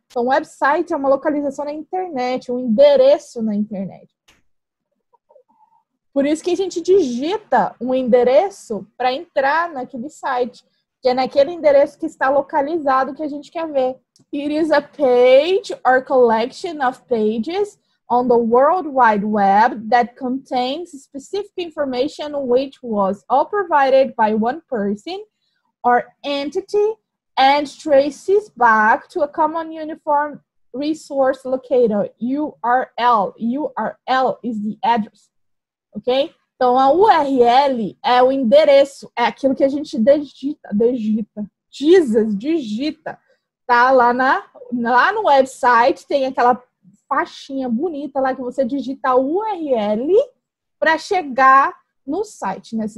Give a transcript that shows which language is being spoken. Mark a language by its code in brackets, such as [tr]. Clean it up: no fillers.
[pt] Então, website é uma localização na internet, um endereço na internet. Por isso que a gente digita um endereço para entrar naquele site, que é naquele endereço que está localizado que a gente quer ver. [en] It is a page or collection of pages on the World Wide Web that contains specific information which was all provided by one person or entity and traces back to a common uniform resource locator, URL. URL is the address, ok? [pt] Então, a URL é o endereço, é aquilo que a gente digita, tá lá no website, tem aquela faixinha bonita lá que você digita a URL para chegar no site, né?